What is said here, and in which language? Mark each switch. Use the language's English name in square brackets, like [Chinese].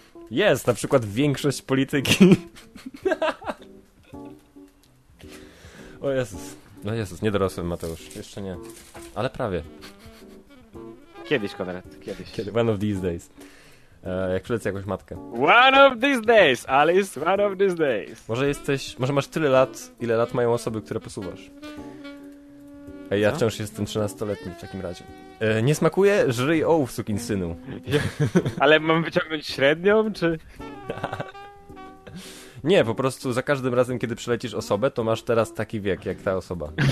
[Polish] Jest, na przykład większość polityki. O Jezus. No Jezus, nie dorosłem, Mateusz. Jeszcze nie. Ale prawie. Kiedyś, Konrad, kiedyś. [English] One of these days. [Polish] Jak przylecę jakąś matkę. [English] One of these days, Alice, one of these days. [Polish] Może jesteś, może masz tyle lat, ile lat mają osoby, które posuwasz. Ej, ja wciąż jestem 13-letni w takim razie. Nie smakuje? Żryj ołów, sukinsynu. Ale mam wyciągnąć średnią, czy...? Nie, po prostu za każdym razem, kiedy przelecisz osobę, to masz teraz taki wiek, jak ta osoba.